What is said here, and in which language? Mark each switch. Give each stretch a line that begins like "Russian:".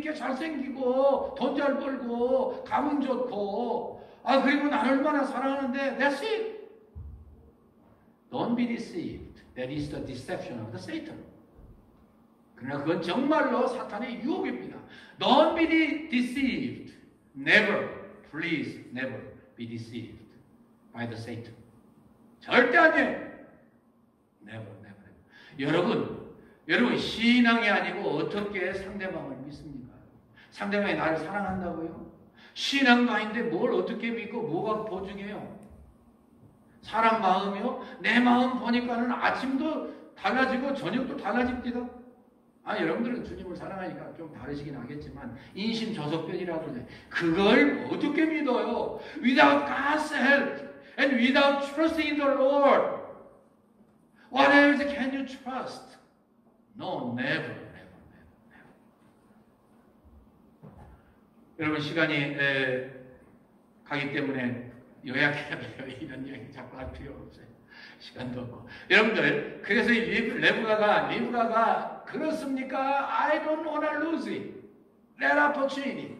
Korean: 꽤 잘생기고, 돈 잘 벌고, 가문 좋고. 아, 그리고 난 얼마나 사랑하는데,
English: that's it. Don't be deceived. That is the deception of the Satan.
Korean: 그러나 그건 정말로 사탄의 유혹입니다.
English: Don't be deceived. Never, please, never be deceived by the Satan.
Korean: 절대 안 해요.
English: Never, never.
Korean: 여러분, 신앙이 아니고 어떻게 상대방을 믿습니까? 상대방이 나를 사랑한다고요? 신앙도 아닌데 뭘 어떻게 믿고 뭐가 보증해요? 사람 마음이요? 내 마음 보니까는 아침도 달라지고 저녁도 달라집니다. 아, 여러분들은 주님을 사랑하니까 좀 다르시긴 하겠지만 인심저속변이라고 그러네. 그걸 어떻게 믿어요?
English: Without God's help and without trusting in the Lord, what else can you trust? No, never, never, never, never.
Korean: 여러분 시간이 가기 때문에 요약해야 돼요. 이런 이야기 자꾸 할 필요 없어요. 시간도 없고. 여러분들, 그래서 리브가가 그렇습니까?
English: I don't wanna lose it. That opportunity.